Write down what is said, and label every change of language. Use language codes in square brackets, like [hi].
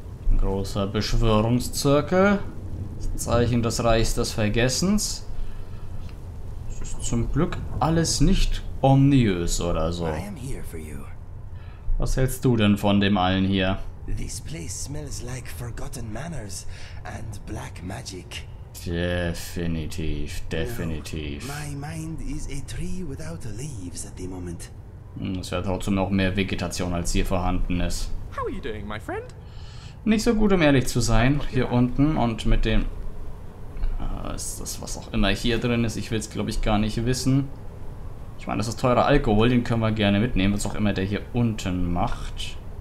[de] Ein großer Beschwörungszirkel. Das Zeichen des Reichs des Vergessens. Das ist zum Glück alles nicht ominös oder so. Was hältst du denn von dem allen hier? [en] This place smells like forgotten manners and black magic. [de] Definitiv, definitiv. [en] My mind is a tree without leaves at the moment. [de] Es wäre trotzdem noch mehr Vegetation, als hier vorhanden ist. [en] How are you doing, my friend? [de] Nicht so gut, um ehrlich zu sein, hier unten und mit dem... ist das, was auch immer hier drin ist, ich will es, glaube ich, gar nicht wissen. Ich meine, das ist teurer Alkohol, den können wir gerne mitnehmen, was auch immer der hier unten macht.